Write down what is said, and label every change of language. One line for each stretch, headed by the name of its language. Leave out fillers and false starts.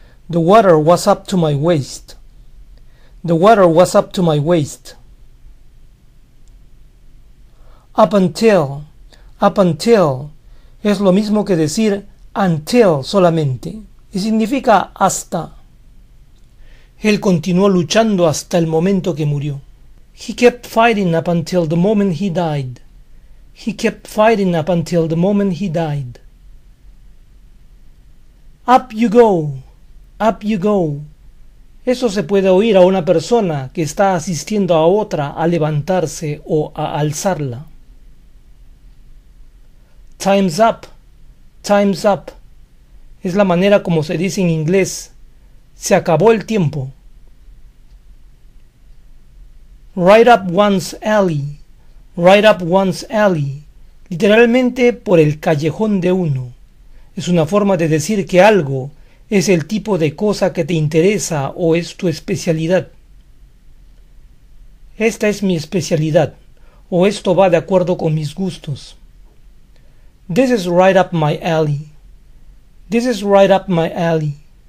English: The water was up to my waist. The water was up to my waist. Up until.
Spanish: Up until es lo mismo que decir until solamente, y significa hasta. Él continuó luchando hasta el momento que murió.
English: He kept fighting up until the moment he died. He kept fighting up until the moment he died. Up you go. Up you go.
Spanish: Eso se puede oír a una persona que está asistiendo a otra a levantarse o a alzarla.
English: Time's up. Time's up.
Spanish: Es la manera como se dice en inglés. Se acabó el tiempo.
English: Right up one's alley. Right up one's alley.
Spanish: Literalmente por el callejón de uno. Es una forma de decir que algo es el tipo de cosa que te interesa o es tu especialidad. Esta es mi especialidad. O esto va de acuerdo con mis gustos.
English: This is right up my alley. This is right up my alley.